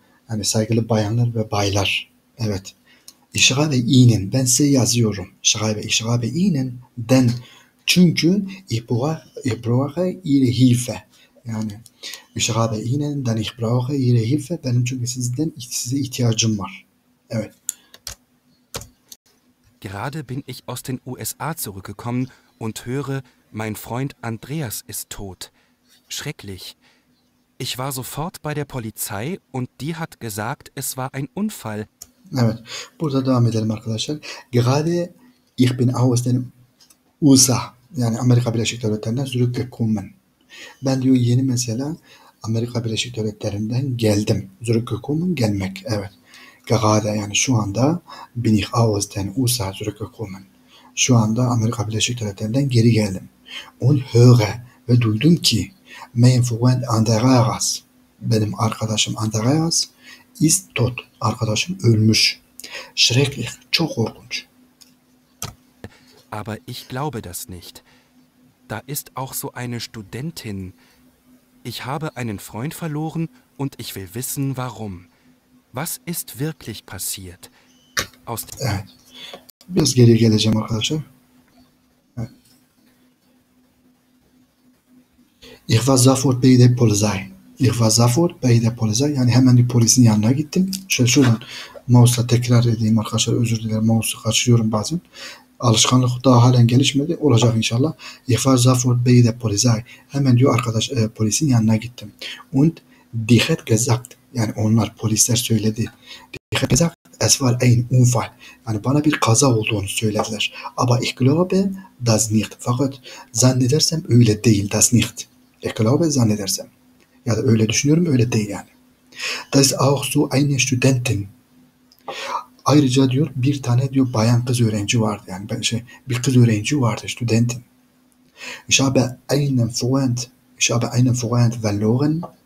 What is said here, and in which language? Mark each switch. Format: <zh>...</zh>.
<tr>Yani saygılı bayanlar ve baylar. Evet.</tr> <de>Ich schreibe Ihnen,</de> <tr>ben size yazıyorum.</tr> <de>Ich schreibe Ihnen, denn, çünkü, ich brauche Ihre Hilfe. Yani, ich schreibe Ihnen, denn ich brauche Ihre Hilfe,</de> <tr>benim çünkü size ihtiyacım var. Evet.</tr> <de>Gerade bin ich aus den USA zurückgekommen und höre, mein Freund Andreas ist tot. Schrecklich. Ich war sofort bei der Polizei und die hat gesagt, es war ein Unfall.</de> <tr>Evet, burada devam edelim arkadaşlar.</tr> <de>Gerade ich bin aus den USA,</de> <tr>yani Amerika Birleşik Devletleri'nden zurückgekommen. Ben diyor yeni mesela Amerika Birleşik Devletleri'nden geldim.</tr> <de>Zurückgekommen</de> <tr>gelmek, evet.</tr> <de>Gerade</de> <tr>yani şu anda</tr> <de>bin ich aus den USA zurückgekommen.</de> <tr>Şu anda Amerika Birleşik Devletleri'nden geri geldim.</tr> <de>Und höre</de> <tr>ve duydum ki</tr> <de>mein Freund Andreas,</de> <tr>benim arkadaşım Andreas</tr> <de>ist tot.</de> <tr>Arkadaşım ölmüş. Schrecklich, çok korkunç.</tr> <de>Aber ich glaube das nicht. Da ist auch so eine Studentin. Ich habe einen Freund verloren und ich will wissen, warum. Was ist wirklich passiert? Aus</de> <tr>Evet. Biraz geriye geleceğim arkadaşlar.</tr> <de>Ich war sofort bei der Polizei. Ich war sofort bei der Polizei.</de> <tr>Yani hemen bir polisin yanına gittim. Şöyle şuradan mouse'la tekrar edeyim arkadaşlar. Özür dilerim. Mouse'u kaçırıyorum bazen. Alışkanlık daha halen gelişmedi. Olacak inşallah.</tr> <de>Ich war sofort bei der Polizei.</de> <tr>Hemen diyor arkadaş polisin yanına gittim.</tr> <de>Und die hat gesagt.</de> <tr>Yani onlar polisler söyledi.</tr> <de>Die hat gesagt. Es war ein Unfall.</de> <tr>Yani bana bir kaza olduğunu söylediler.</tr> <de>Aber ich glaube das nicht.</de> <tr>Fakat zannedersem öyle değil.</tr> <de>Das nicht. Ich glaube zannedersem.</de> <tr>Ya da öyle düşünüyorum, öyle değil yani.</tr> <de>Das auch so eine Studentin.</de> <tr>Ayrıca diyor bir tane diyor bayan kız öğrenci vardı yani ben şey bir kız öğrenci vardı Studentin.</tr> <de>Ich habe einen Freund verloren.</de>